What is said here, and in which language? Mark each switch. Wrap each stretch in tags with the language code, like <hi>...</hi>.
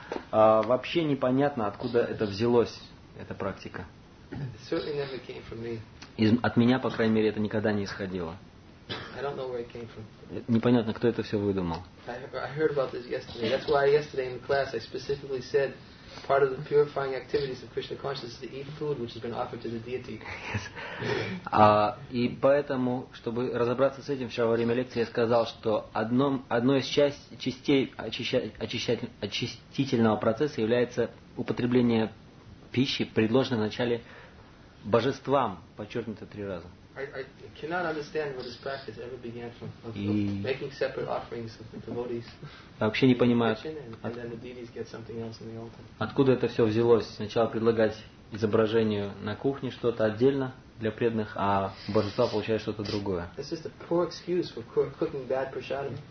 <ru>Вообще непонятно, откуда это взялось, эта практика. От меня, по крайней мере, это никогда не исходило.</ru> <en>I don't know where it came from.</en> <ru>Непонятно, кто это все выдумал.</ru> <en>I heard about this yesterday. That's why yesterday in the class I specifically said part of the purifying activities of Krishna consciousness is to eat food which has been offered to the deity.</en> <ru>И поэтому, чтобы разобраться с этим, вчера во время лекции я сказал, что одной из частей очистительного процесса является употребление пищи, предложенной вначале божествам, подчеркнуто три раза.</ru> <en>I cannot understand where this practice ever began from. Making separate offerings of the devotees.</en> <ru>Вообще не понимаю.</ru> <en>And then the deities get something else in the altar.</en> <ru>Откуда это все взялось? Сначала предлагать изображению на кухне что-то отдельно для преданных, а божества получают что-то другое.</ru> <en>This is a poor excuse for cooking bad prasadam.</en>